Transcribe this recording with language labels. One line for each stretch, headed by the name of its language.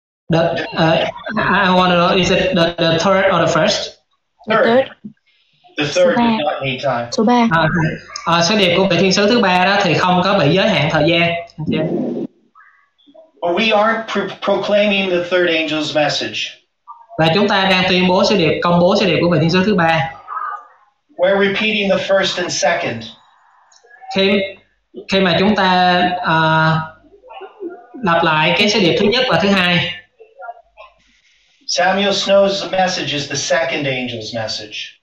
English: I want to know, is it the third or the first? The third does not need time.
Vietnamese: Số 3. Số điệp của vị thiên sứ thứ 3 đó thì không có bị giới hạn thời gian.
English: But we aren't proclaiming the third angel's message.
Vietnamese: Là chúng ta đang tuyên bố sứ điệp, công bố sứ điệp của vị thiên sứ thứ 3.
English: We're repeating the first and second.
Vietnamese: Khi mà chúng ta lặp lại cái sứ điệp thứ nhất và thứ hai.
English: Samuel Snow's message is the second angel's message.